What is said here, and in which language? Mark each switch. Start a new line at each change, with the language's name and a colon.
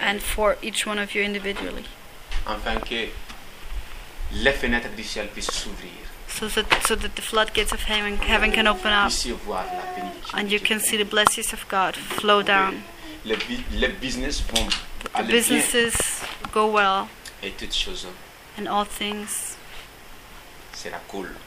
English: And for each one of you individually.
French: Afin que les fenêtres du ciel puissent s'ouvrir.
English: So that the floodgates of heaven can open up. And you can see the blessings of God flow down.
French: Les business vont aller
English: bien. Businesses go well.
French: Et toutes choses.
English: And all things.
French: Sera cool.